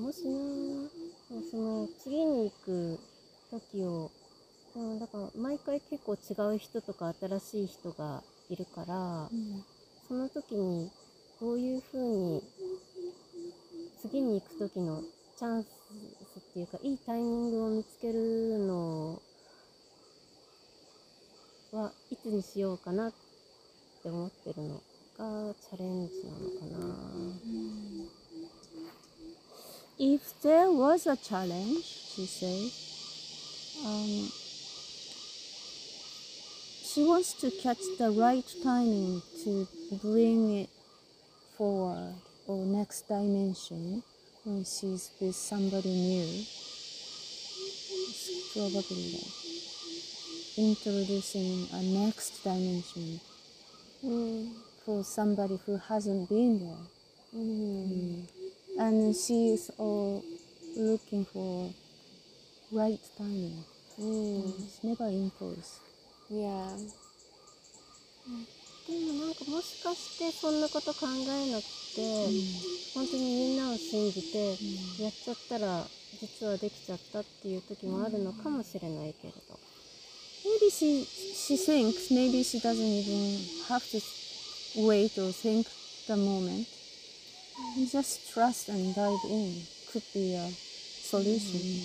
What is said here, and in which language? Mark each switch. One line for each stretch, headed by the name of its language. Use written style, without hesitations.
Japanese: もしな、その次に行く時をだから毎回結構違う人とか新しい人がいるから、その時にどういうふうに次に行く時のチャンスっていうかいいタイミングを見つけるのはいつにしようかなって思ってるのがチャレンジなのかな。
English: If there was a challenge, she said, she wants to catch the right timing to bring it forward or next dimension when she's with somebody new. It's probably introducing a next dimension for somebody who hasn't been there. And she's all looking for right timing. It's never impulse. Yeah.
Japanese: でもなんかもしかしてそんなこと考えなくて、うん、本当にみんなを信じてやっちゃったら実はできちゃったっていう時もあるのかもしれないけれど、
English: うん、Maybe she thinks, maybe she doesn't even have to wait or think the moment. Just trust and dive in could be a solution.